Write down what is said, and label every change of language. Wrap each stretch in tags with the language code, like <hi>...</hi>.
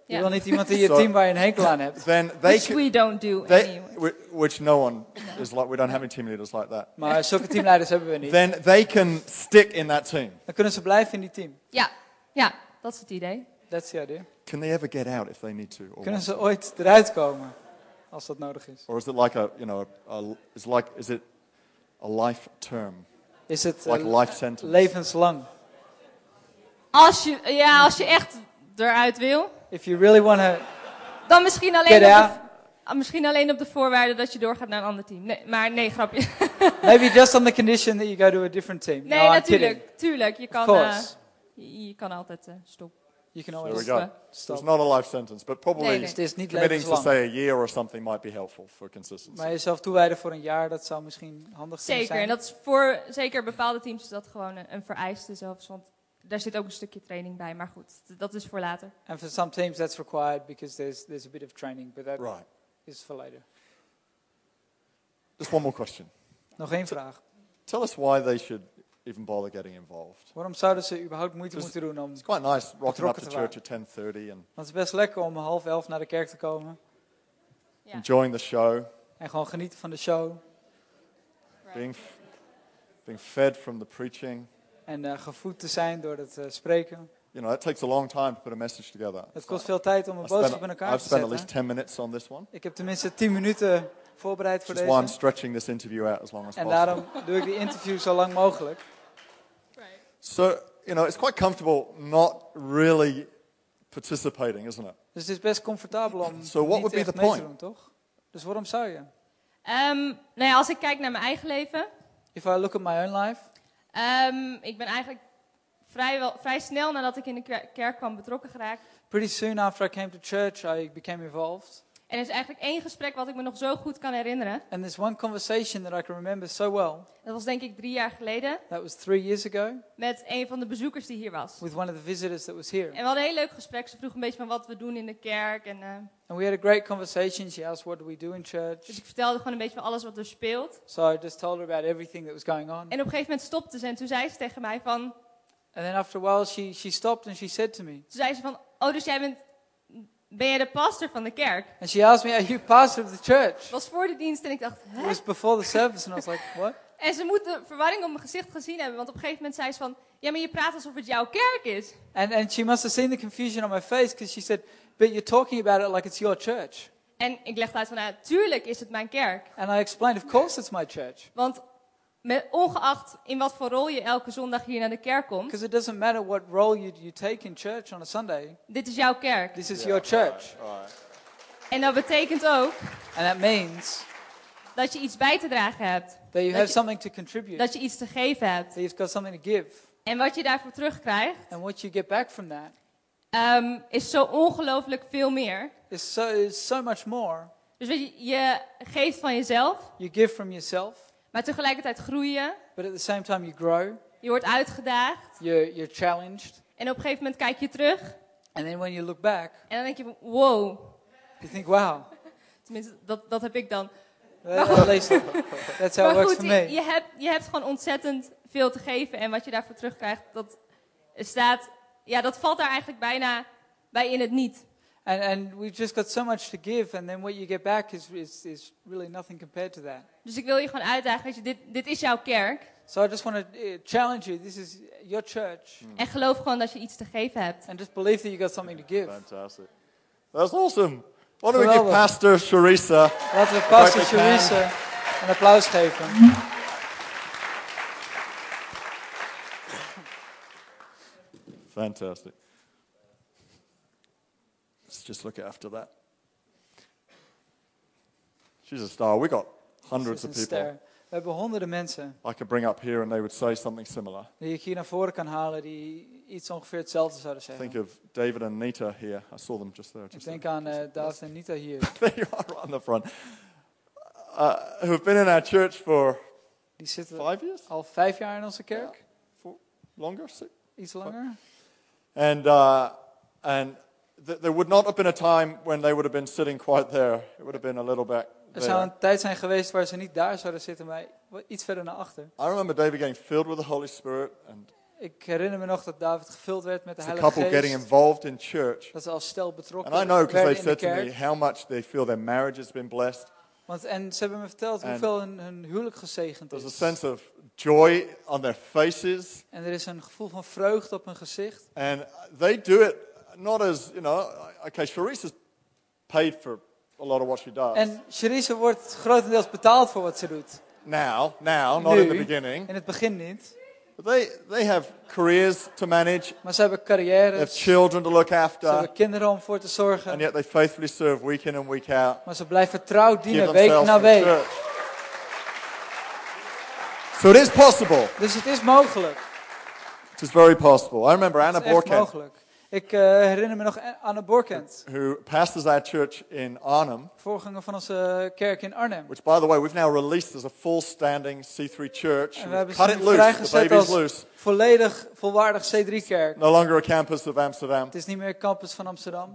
<nl>Je wil niet iemand in je team waar je een hekel aan hebt.</nl> <en>Then they which we don't do anyway. Which no one is like. We don't have any team leaders like that.</en> <nl>Maar zulke teamleiders hebben we niet.</nl> <en>Then they can stick in that team.</en> <nl>Dan kunnen ze blijven in die team. Ja, dat is het idee.</nl> <en>That's the idea. Can they ever get out if they need to? Or</en> <nl>kunnen ze ooit eruit komen als dat nodig is?</nl> <en>Or is it like a, you know, is it a life term? Is it like a life sentence?</en> <nl>Levenslang. Als je echt eruit wil.</nl> <en>If you really want to</en> <nl>dan misschien alleen, op de voorwaarden dat je doorgaat naar een ander team. Nee, maar nee, grapje.</nl> <en>Maybe just on the condition that you go to a different team.</en> <nl>Nee,</nl> <en>no,</en> <nl>natuurlijk.</nl> <en>I'm</en> <nl>tuurlijk. Je kan, altijd stoppen.</nl> <en>You can always stop. It's not a life sentence, but probably committing to say a year or something might be helpful for consistency.</en> <nl>Maar jezelf toewijden voor een jaar, dat zou misschien handig zeker, Zeker, en dat is voor zeker bepaalde teams is dat gewoon een vereiste zelfs. Want daar zit ook een stukje training bij, maar goed, dat is voor later.</nl> <en>And for some teams that's required because there's a bit of training, but that right. is for later. Just one more question.</en> <nl>Nog één vraag.</nl> <en>Tell us why they should even bother getting involved.</en> <nl>Waarom zouden ze überhaupt moeite moeten doen om?</nl> <en>It's quite nice rocking up to church at 10:30 and.</en> <nl>Want het is best lekker om 10:30 naar de kerk te komen.</nl> <en>Yeah. Enjoying the show.</en> <nl>En gewoon genieten van de show.</nl> <en>Right. Being fed from the preaching.</en> <nl>En gevoed te zijn door het spreken.</nl> <en>You know, it takes a long time to put a message together.</en> <nl>Het kost veel tijd om een boodschap in elkaar te zetten.</nl> <en>I've spent at least 10 minutes on this one.</en> <nl>Ik heb tenminste 10 minuten voorbereid voor</nl> <en>just</en> <nl>deze.</nl> <en>Just one stretching this interview out as long as</en> <nl>en</nl> <en>possible.</en> <nl>En daarom doe ik die interview zo lang mogelijk.</nl> <en>Right. So, you know, it's quite comfortable not really participating, isn't it?</en> <nl>Dus het is best comfortabel om</nl> <en>so</en> <nl>niet</nl> <en>what would</en> <nl>echt</nl> <en>be the point?</en> <nl>Mee te doen, toch? Dus waarom zou je? Nou ja, als ik kijk naar mijn eigen leven.</nl> <en>If I look at my own life.</en> <nl>Ik ben eigenlijk vrij snel nadat ik in de kerk kwam betrokken geraakt.</nl> <en>Pretty soon after I came to church, I became involved.</en> <nl>En er is eigenlijk één gesprek wat ik me nog zo goed kan herinneren.</nl> <en>And there's one conversation that I can remember so well.</en> <nl>Dat was denk ik 3 jaar geleden.</nl> <en>That was 3 years ago.</en> <nl>Met een van de bezoekers die hier was.</nl> <en>With one of the visitors that was here.</en> <nl>En we hadden een heel leuk gesprek. Ze vroeg een beetje van wat we doen in de kerk.</nl> <en>And we had a great conversation. She asked what do we do in church.</en> <nl>Dus ik vertelde gewoon een beetje van alles wat er speelt.</nl> <en>So I just told her about everything that was going on.</en> <nl>En op een gegeven moment stopte ze en toen zei ze tegen mij van.</nl> <en>And then after a while she stopped and she said to me.</en> <nl>Toen zei ze van, oh dus jij bent. Ben jij de pastor van de kerk?</nl> <en>And she asked me, are you pastor of the church?</en> <nl>Was voor de dienst en ik dacht, hè?</nl> <en>It was before the service and I was like, what?</en> <nl>En ze moet de verwarring op mijn gezicht gezien hebben, want op een gegeven moment zei ze van, ja, maar je praat alsof het jouw kerk is.</nl> <en>And she must have seen the confusion on my face, because she said, but you're talking about it like it's your church.</en> <nl>En ik legde uit van, ja, tuurlijk is het mijn kerk.</nl> <en>And I explained, of course it's my church.</en> <nl>Want ongeacht in wat voor rol je elke zondag hier naar de kerk komt.</nl> <en>Because it doesn't matter what role you take in church on a Sunday.</en> <nl>Dit is jouw kerk.</nl> <en>This is your church. All right.</en> <nl>En dat betekent ook.</nl> <en>And that means.</en> <nl>Dat je iets bij te dragen hebt.</nl> <en>That you have something to contribute.</en> <nl>Dat je iets te geven hebt.</nl> <en>That you've got something to give.</en> <nl>En wat je daarvoor terugkrijgt.</nl> <en>And what you get back from that.</en> <nl>Is zo ongelooflijk veel meer.</nl> <en>Is so much more.</en> <nl>Dus je geeft van jezelf.</nl> <en>You give from yourself.</en> <nl>Maar tegelijkertijd groei je.</nl> <en>But at the same time you grow.</en> <nl>Je wordt uitgedaagd.</nl> <en>You're challenged.</en> <nl>En op een gegeven moment kijk je terug.</nl> <en>And then when you look back.</en> <nl>En dan denk je, wow.</nl> <en>You think, wow.</en> <nl>Tenminste, dat heb ik dan.</nl> <en>That's how it works for me.</en> <nl>Je hebt gewoon ontzettend veel te geven. En wat je daarvoor terugkrijgt, dat staat... Ja, dat valt daar eigenlijk bijna bij in het niet.</nl> <en>And we've just got so much to give. And then what you get back is really nothing compared to that.</en> <nl>Dus ik wil je gewoon uitdagen. Weet je, dit is jouw kerk.</nl> <en>So I just want to challenge you. This is your church. Mm.</en> <nl>En geloof gewoon dat je iets te geven hebt.</nl> <en>And just believe that you got something to give. Fantastic. That's awesome. Why don't we give Pastor Charissa?</en> <nl>Laten we Pastor Charissa een applaus geven.</nl> <en>Fantastic. Let's just look after that. She's a star. We got hundreds of people.</en> <nl>We hebben honderden mensen.</nl> <en>I could bring up here and they would say something similar.</en> <nl>Die ik hier naar voren kan halen die iets ongeveer hetzelfde zouden zeggen.</nl> <en>Think of David and Nita here. I saw them just there. Just</en> <nl>ik denk aan David en Nita hier.</nl> <en>There you are on the front. Who've been in our church for 5 years?</en> <nl>Al 5 jaar in onze kerk.</nl> <en>Yeah. For longer?</en> <nl>Iets langer.</nl> <en>And there would not have been a time when they would have been sitting quite there. It would have been a little back.</en> <nl>Er zou een tijd zijn geweest waar ze niet daar zouden zitten, maar iets verder naar achter.</nl> <en>I remember David getting filled with the Holy Spirit. And</en> <nl>ik herinner me nog dat David gevuld werd met de Heilige Geest.</nl> <en>The couple getting involved in church.</en> <nl>Dat ze als stel betrokken werden in de kerk.</nl> <en>And I know because they said to me how much they feel their marriage has been blessed.</en> <nl>Want en ze hebben me verteld hoeveel hun huwelijk gezegend is.</nl> <en>There's a sense of joy on their faces.</en> <nl>En er is een gevoel van vreugde op hun gezicht.</nl> <en>And they do it not as, you know, okay, Charisse is paid for a lot of what she does.</en> <nl>En Charisse wordt grotendeels betaald voor wat ze doet.</nl> <en>Now, not in the beginning.</en> <nl>In het begin niet.</nl> <en>But they have careers to manage.</en> <nl>Maar ze hebben carrières.</nl> <en>They have children to look after.</en> <nl>Ze hebben kinderen om voor te zorgen.</nl> <en>And yet they faithfully serve week in and week out.</en> <nl>Maar ze blijven trouw dienen week na week.</nl> <en>Church. So it is possible.</en> <nl>Dus het is mogelijk.</nl> <en>It is very possible. I remember Anna Borkent.</en> <nl>Het is mogelijk. Ik herinner me nog Anna Borkent.</nl> <en>Who pastors our church in Arnhem.</en> <nl>Voorganger van onze kerk in Arnhem.</nl> <en>Which, by the way, we've now released as a full standing C3 church.</en> <nl>En we hebben ze vrijgezet als volledig volwaardig C3 kerk.</nl> <en>No longer a campus of Amsterdam.</en> <nl>Het is niet meer een campus van Amsterdam.</nl>